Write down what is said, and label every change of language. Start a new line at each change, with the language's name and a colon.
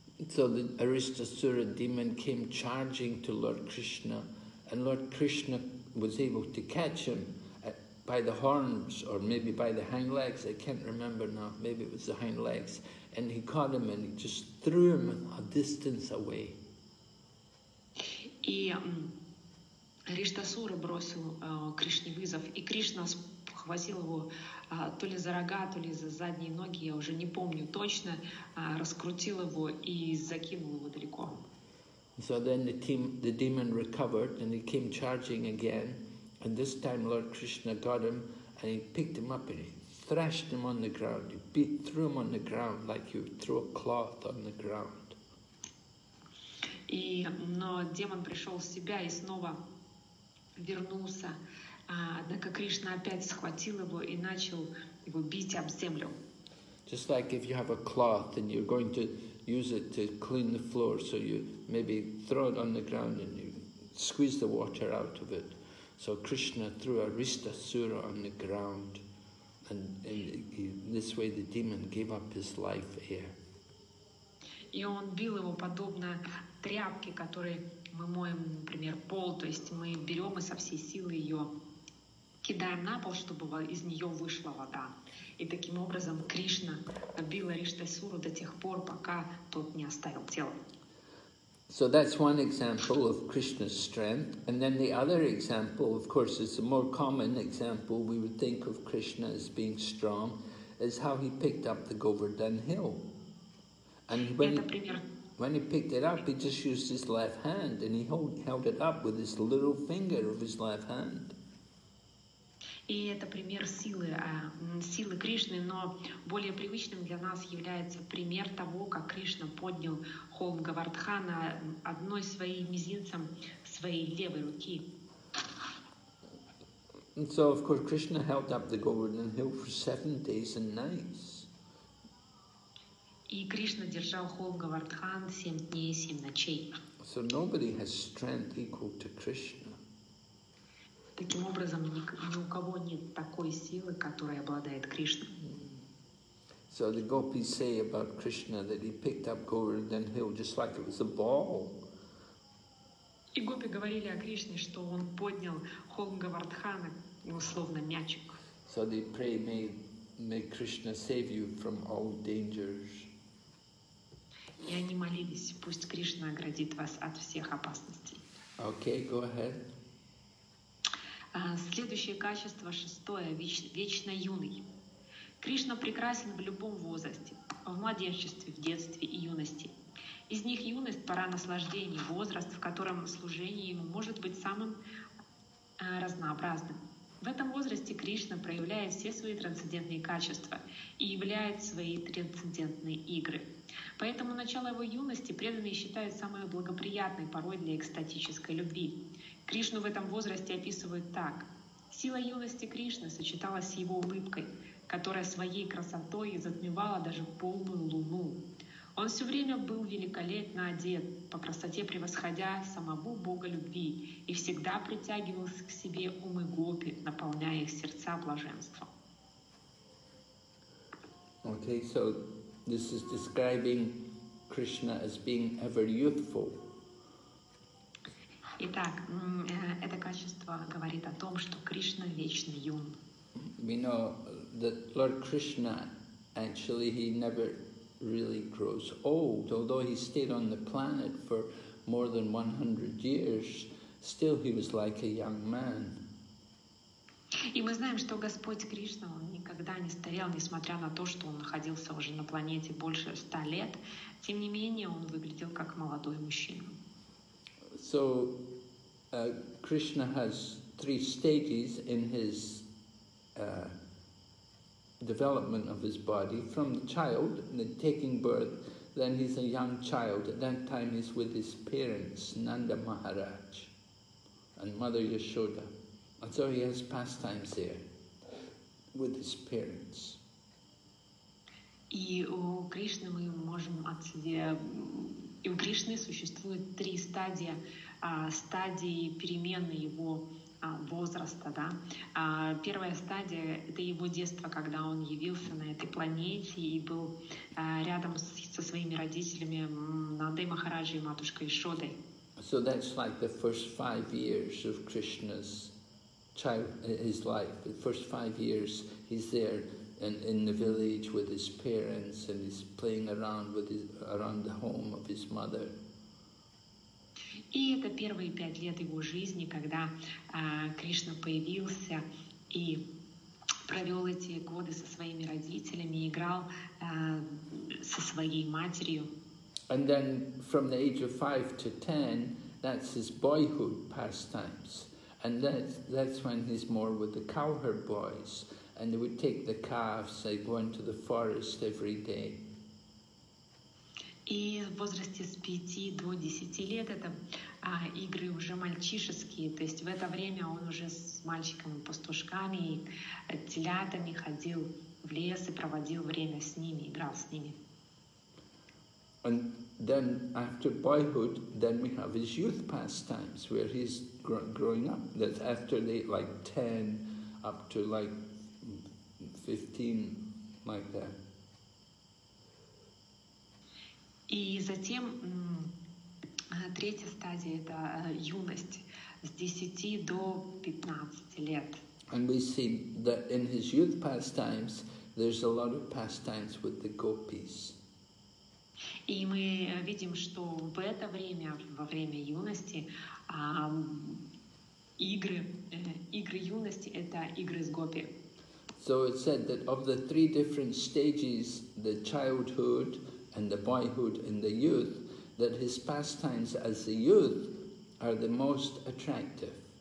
English: So the Ariṣṭasura demon came charging to Lord Krishna, and Lord Krishna was able to catch him by the horns, or maybe by the hind legs, I can't remember now, maybe it was the hind legs, and he caught him and he just threw him a distance away.
Russian: И Ариṣṭasura бросил Кришне вызов, и Кришна хватил его то ли за рога, то ли за задние ноги, я уже не помню точно, раскрутил его и закинул его далеко.
English: So then the demon recovered and he came charging again, and this time Lord Krishna got him and he picked him up and he thrashed him on the ground, he beat, threw him on the ground like you throw a cloth on the ground.
Russian: И, но демон пришел в себя и снова вернулся. Однако Кришна опять схватил его и начал его бить об землю.
English: Just like if you have a cloth and you're going to use it to clean the floor, so you maybe throw it on the ground and you squeeze the water out of it. So Krishna threw a Rista Sura on the ground, and in this way the demon gave up his life here.
Russian: И он бил его подобно тряпке, которой мы моем, например, пол, то есть мы берем и со всей силы ее кидаем на пол, чтобы из нее вышла вода. И таким образом Кришна бил Риштасуру до тех пор, пока тот не оставил тело.
English: So that's one example of Krishna's strength. And then the other example, of course, is the more common example we would think of Krishna as being strong, is how he picked up the Govardhan Hill. And when he picked it up, he just used his left hand, and he held it up with his little finger of his left hand.
Russian: И это пример силы Кришны, но более привычным для нас является пример того, как Кришна поднял холм Говардхана одной своей мизинцем своей левой руки.
English: And so, of course, Krishna held up the Govardhan Hill for 7 days and nights.
Russian: И Кришна держал холм Говардхан 7 дней и 7 ночей.
English: So nobody has strength equal to Krishna.
Russian: Таким образом, ни у кого нет такой силы, которой обладает Кришна.
English: So the gopis say about Krishna that he picked up Govardhan Hill just like it was a ball.
Russian: И гопи говорили о Кришне, что он поднял холм Говардхана условно мячик.
English: So they pray, may Krishna save you from all dangers.
Russian: И они молились, пусть Кришна оградит вас от всех опасностей.
English: Okay, go ahead.
Russian: Следующее качество, шестое, вечно юный. Кришна прекрасен в любом возрасте, в младенчестве, в детстве и юности. Из них юность – пора наслаждений, возраст, в котором служение ему может быть самым разнообразным. В этом возрасте Кришна проявляет все свои трансцендентные качества и являет свои трансцендентные игры. Поэтому начало его юности преданные считают самой благоприятной порой для экстатической любви. Кришну в этом возрасте описывают так. Сила юности Кришны сочеталась с его улыбкой, которая своей красотой затмевала даже полную луну. Он все время был великолепно одет, по красоте превосходя самого Бога любви, и всегда притягивал к себе умы гопи, наполняя их сердца блаженством.
English: Okay, so this is describing Krishna as being ever youthful.
Russian: Итак, это качество говорит о том, что Кришна вечно юн.
English: We know that Lord Krishna, actually, he never really grows old. Although he stayed on the planet for more than 100 years, still he was like a young man.
Russian: И мы знаем, что Господь Кришна, он никогда не старел, несмотря на то, что он находился уже на планете больше 100 лет. Тем не менее, он выглядел как молодой мужчина.
English: So, Krishna has 3 stages in his development of his body, from the child, the taking birth, then he's a young child, at that time he's with his parents, Nanda Maharaj and Mother Yashoda. And so he has pastimes there with his parents.
Russian: И у Кришны мы можем отследить, и у Кришны существует 3 стадии, стадии перемены его возраста, да. Первая стадия – это его детство, когда он явился на этой планете и был рядом со своими родителями Нандой Махараджи и матушкой Ишодой.
English: So that's like the first 5 years of Krishna's child, his life. The first 5 years he's there in the village with his parents, and he's playing around the home of his mother.
Russian: И это первые 5 лет его жизни, когда Кришна появился и провел эти годы со своими родителями, играл со своей матерью.
English: And then from the age of 5 to 10, that's his boyhood pastimes. And that's when he's more with the cowherd boys, and they would take the calves, they'd go into the forest every day.
Russian: И в возрасте с 5 до 10 лет это игры уже мальчишеские, то есть в это время он уже с мальчиками-пастушками и телятами ходил в лес и проводил время с ними, играл с ними.
English: And then after boyhood, then we have his youth pastimes, where he's growing up. That's after the, like 10 up to like 15, like that.
Russian: И затем третья стадия – это юность, с 10 до 15 лет.
English: And we see that in his youth pastimes, there's a lot of pastimes with the gopis.
Russian: И мы видим, что в это время, во время юности, игры юности – это игры с гопи.
English: So it said that of the three different stages, the childhood, and the boyhood and the youth, that his pastimes as a youth are the most attractive.